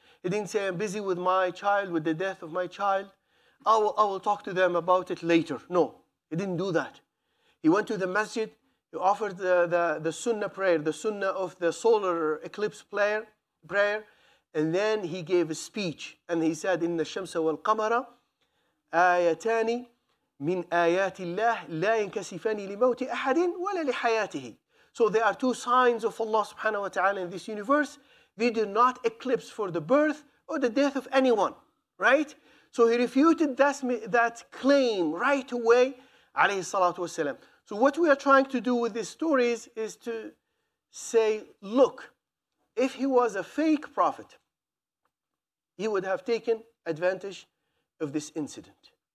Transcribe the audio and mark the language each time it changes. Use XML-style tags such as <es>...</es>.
<en>He didn't say, I'm busy with my child, with the death of my child. I will talk to them about it later. No, he didn't do that. He went to the masjid. He offered the sunnah prayer, the sunnah of the solar eclipse prayer. And then he gave a speech. And he said,</en> <ar>إِنَّ الشَّمْسَ وَالْقَمَرَ آيَتَانِ مِنْ آيَاتِ اللَّهِ لَا يَنْكَسِفَانِ لِمَوْتِ أَحَدٍ وَلَا لِحَيَاتِهِ.</ar> <en>So there are two signs of Allah subhanahu wa ta'ala in this universe. They do not eclipse for the birth or the death of anyone, right? So he refuted that claim right away, alayhi salatu wasalam. So what we are trying to do with these stories is to say, look, if he was a fake prophet, he would have taken advantage of this incident.</en>